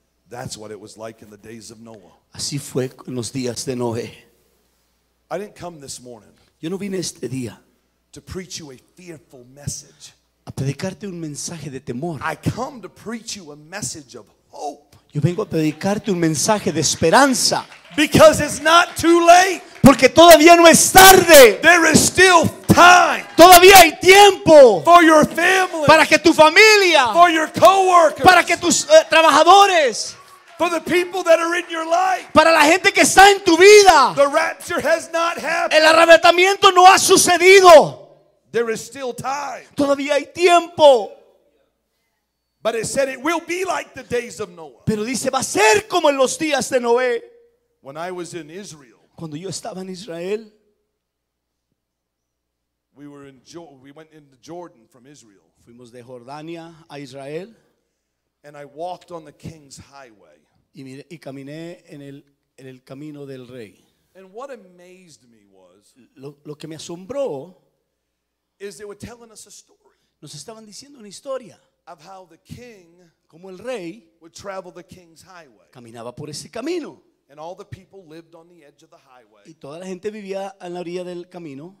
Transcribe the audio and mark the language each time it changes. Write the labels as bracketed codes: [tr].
[en] That's what it was like in the days of Noah. [es] Así fue en los días de Noé. [en] I didn't come this morning. [es] Yo no vine este día [en] to preach you a fearful message. [es] A predicarte un mensaje de temor. [en] I come to preach you a message of hope. [es] Yo vengo a predicarte un mensaje de esperanza. [en] Because it's not too late. [es] Porque todavía no es tarde. [en] There is still time. [es] Todavía hay tiempo. [en] For your family. [es] Para que tu familia. [en] For your coworkers. [es] Para que tus trabajadores. [en] For the people that are in your life. [es] Para la gente que está en tu vida. [en] The rapture has not happened. [es] El arrebatamiento no ha sucedido. [en] There is still time. [es] Todavía hay tiempo. [en] But it said it will be like the days of Noah. [es] Pero dice va a ser como en los días de Noé. [en] When I was in Israel. [es] Cuando yo estaba en Israel. [en] We went into Jordan from Israel. [es] Fuimos de Jordania a Israel. [en] And I walked on the king's highway. [es] Y caminé en el camino del rey. [en] And what amazed me was. [es] Lo que me asombró. [en] Is they were telling us a story. [es] Nos estaban diciendo una historia. [en] Of how the king. [es] Como el rey. [en] Would travel the king's highway. [es] Caminaba por ese camino. [en] And all the people lived on the edge of the highway. [es] Y toda la gente vivía en la orilla del camino.